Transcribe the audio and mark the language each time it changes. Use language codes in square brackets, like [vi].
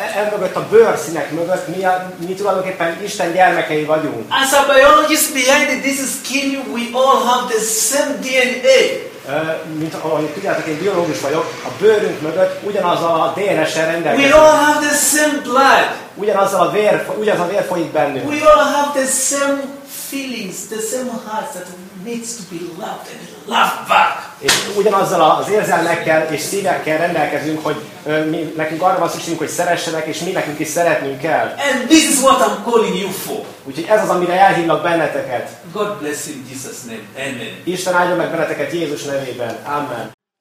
[hu] Mögött a bőrszínek mögött mi tulajdonképpen Isten gyermekei vagyunk. [en] As a biologist behind this skin we all have the same DNA. [hu] Mint ahogy tudjátok, én biológus vagyok, a bőrünk mögött ugyanaz a DNS-el rendelkezik. [en] We all have the same blood. [hu] Ugyanaz a vér folyik bennünk. [en] We all have the same feelings, the same hearts that needs to be loved and loved back. [hu] És ugyanazzal az érzelmekkel és szívekkel rendelkezünk, hogy mi nekünk arra van szükségünk, hogy szeressenek, és mi nekünk is szeretnünk kell. [en] And this is what I'm calling you for. [hu] Úgyhogy ez az, amire elhívlak benneteket. [en] God bless you in Jesus name. Amen. [hu] Isten áldjon meg benneteket Jézus nevében. Amen.